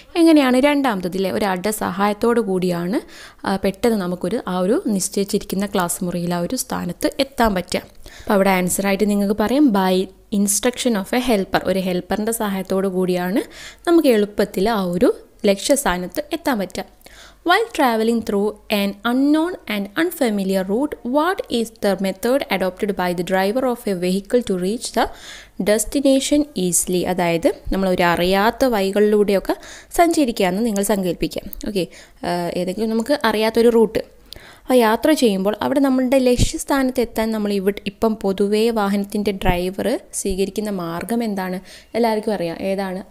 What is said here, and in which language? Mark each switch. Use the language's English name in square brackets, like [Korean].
[Malayalam] എങ്ങനെയാണ് രണ്ടാമത്തത്, ഇല്ലേ, ഒരാളുടെ സഹായത്തോടു കൂടിയാണ് പെട്ടെന്ന് നമുക്കൊരു ആ ഒരു നിശ്ചയിച്ചിരിക്കുന്ന ക്ലാസ് മുറിയിൽ ആ ഒരു സ്ഥാനത്ത് എത്താൻ പറ്റുക. അപ്പോൾ അവിടെ ആൻസറായിട്ട് നിങ്ങൾക്ക് പറയാം, [English] by instruction of a helper, [Malayalam] ഒരു ഹെൽപ്പറിൻ്റെ സഹായത്തോടു കൂടിയാണ് നമുക്ക് എളുപ്പത്തിൽ ആ ഒരു ലക്ഷ്യസ്ഥാനത്ത് എത്താൻ പറ്റുക. [English] While traveling through an unknown and unfamiliar route, what is the method adopted by the driver of a vehicle to reach the destination easily? [Malayalam] അതായത് നമ്മൾ ഒരു അറിയാത്ത വഴികളിലൂടെയൊക്കെ സഞ്ചരിക്കുകയെന്ന് നിങ്ങൾ സങ്കല്പിക്കാം. ഓക്കെ, ഏതെങ്കിലും നമുക്ക് അറിയാത്തൊരു റൂട്ട്, അപ്പോൾ യാത്ര ചെയ്യുമ്പോൾ അവിടെ നമ്മളുടെ ലക്ഷ്യസ്ഥാനത്ത് എത്താൻ നമ്മൾ ഇപ്പം പൊതുവേ വാഹനത്തിൻ്റെ ഡ്രൈവർ സ്വീകരിക്കുന്ന മാർഗം എന്താണ് എല്ലാവർക്കും അറിയാം. ഏതാണ്?